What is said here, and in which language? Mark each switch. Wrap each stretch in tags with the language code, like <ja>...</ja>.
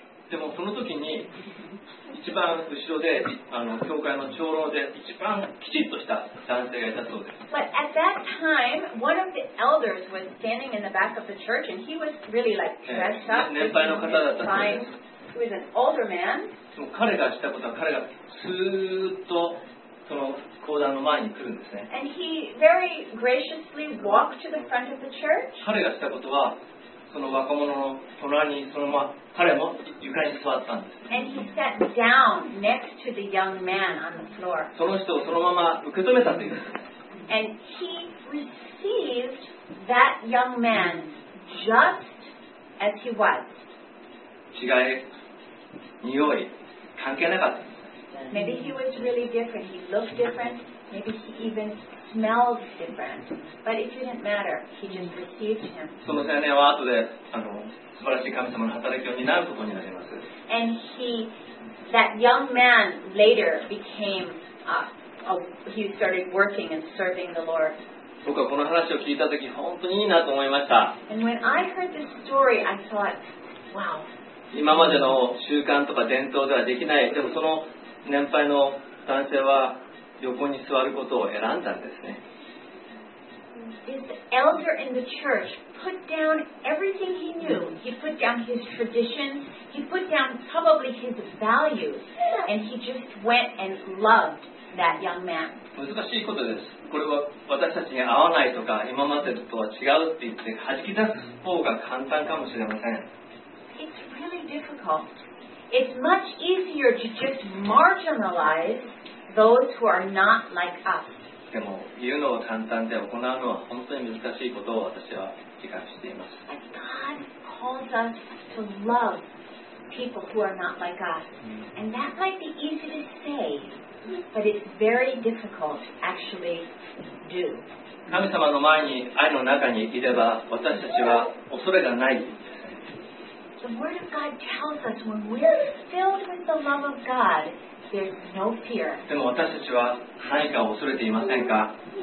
<ja>でもその時に一番後ろで、あの教会の長老で一番きちっとした男性がいたそうです。</ja> <en>But at that time, one of the elders was standing in the back of the church, and he was really like dressed up.</en> <ja>年配の方だったそうです。</ja> <en>He was an older man.</en> <ja>彼がしたことは彼がスーッとその講壇の前に来るんですね。</ja> <en>And he very graciously walked to the front of the church.</en> <ja>彼がしたことは、その若者の隣にそのまま彼も床に座ったんです。</ja> <en>And he sat down next to the young man on the floor.</en> <ja>その人をそのまま受け止めたという。</ja> <en>And he received that young man just as he was.</en> <ja>違い、匂い、関係なかった。</ja> <en>Maybe he was really different. He looked different. Maybe he even smelled different. But it didn't matter. He just received him.</en> <ja>その青年は後で、あの、素晴らしい神様の働きを担うことになります。</ja> <en>And he, that young man later became, he started working and serving the Lord.</en> <ja>僕はこの話を聞いたとき本当にいいなと思いました。</ja> <en>And when I heard this story, I thought, wow.</en> <ja>今までの習慣とか伝統ではできない。でもその年配の男性は横に座ることを選んだんですね。</ja> <en>This elder in the church put down everything he knew. He put down his traditions. He put down probably his values. And he just went and loved that young man.</en> <ja>難しいことです。これは私たちに合わないとか今までとは違うって言って弾き出す方が簡単かもしれません。</ja> <en>It's really difficult. It's much easier to just marginalize those who are not like us.</en> <ja>でも言うのは簡単で行うのは本当に難しいことを私は自覚しています。</ja> <en>God calls us to love people who are not like us. And that might be easy to say, but it's very difficult to actually do.</en> <ja>神様の前に愛の中にいれば私たちは恐れがない。</ja> <en>The word of God tells us when we're filled with the love of GodThere's no fear.</en> <ja>でも私たちは何かを恐れていませんか?</ja>